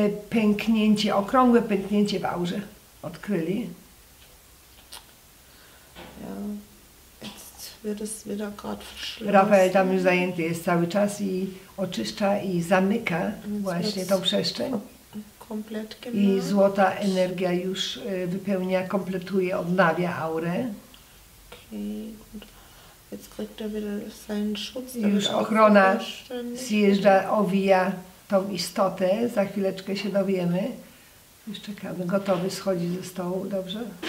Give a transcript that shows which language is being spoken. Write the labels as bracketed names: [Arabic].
[Polish] Pęknięcie, okrągłe pęknięcie w aurze odkryli. [German] Ja, jetzt wird es wieder gerade verschlossen. [Polish] Raphael tam już zajęty jest cały czas i oczyszcza i zamyka właśnie tą przestrzeń. I złota energia już wypełnia, kompletuje, odnawia aurę. Okay. [German] Jetzt kriegt er wieder seinen Schutz. [Polish] Już ochrona zjeżdża, owija tą istotę, za chwileczkę się dowiemy. Już czekamy. Gotowy schodzi ze stołu, dobrze?